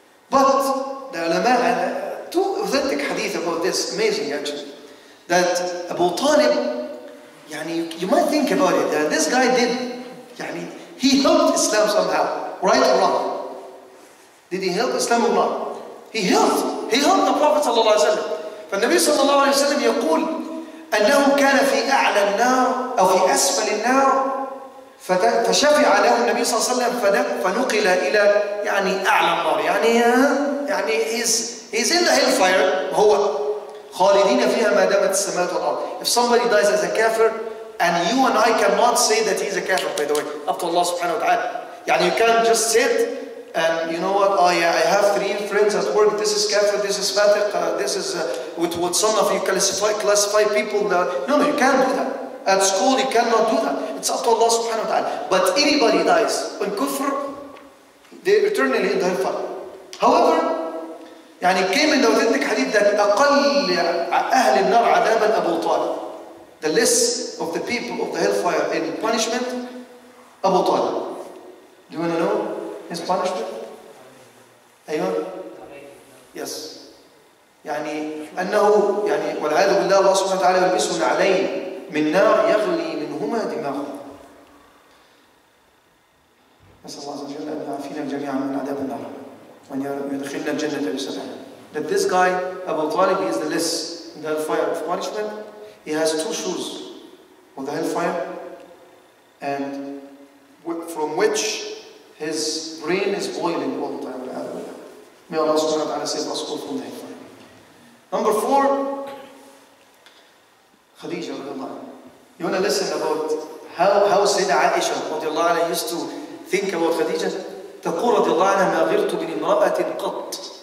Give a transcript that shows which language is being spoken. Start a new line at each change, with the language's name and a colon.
English: But, the ulama had two authentic hadith about this, amazing actually, that Abu Talib, you might think about it, that this guy did, he helped Islam somehow, right or wrong? Did he help Islam or not? He helped the Prophet sallallahu alayhi wa sallam.
Arabic: فالنبي صلى الله عليه وسلم يقول, أنه كان في أعلى النار أو في أسفل النار فشفع له النبي صلى الله عليه وسلم فنقل إلى أعلى النار.
English: He's in the hellfire,
Arabic: هو خالدين فيها ما دامت السماوات والأرض.
English: If somebody dies as a kafir, and you and I cannot say that he's a kafir, by the way, up to Allah subhanahu wa ta'ala. You can't just sit and you know what, oh yeah, I have three friends at work, this is kafir, this is fatiq, this is what some of you classify people that. No, you can't do that. At school, you cannot do that. It's up to Allah subhanahu wa ta'ala. But anybody dies in kufr, they eternally in the hellfire. However, came in the authentic hadith that
Arabic: أقل أهل النار عذابا أبو طالب.
English: The less of the people of the hellfire in punishment, Abu Talib. Do you want to know his punishment? Ayun? Yes.
Arabic: أنه والعياذ بالله الله سبحانه وتعالى يلبسه عليه من نار يغلي منهما دماغه. نسأل الله عز وجل أن يعافينا جميعا من عذاب النار وأن يدخلنا الجنة بسلام.
English: That this guy, Abu Talib, he is the less in the hellfire of punishment. He has two shoes with the hellfire, and from which his brain is boiling all the time. May Allah subhanahu wa ta'ala save us all from the hellfire. Number four, Khadijah radiallahu anha. You want to listen about how Sayyidina Aisha radiallahu anha used to think about Khadijah?
Arabic: تقول radiallahu anha ما غيرت من امرأة قط.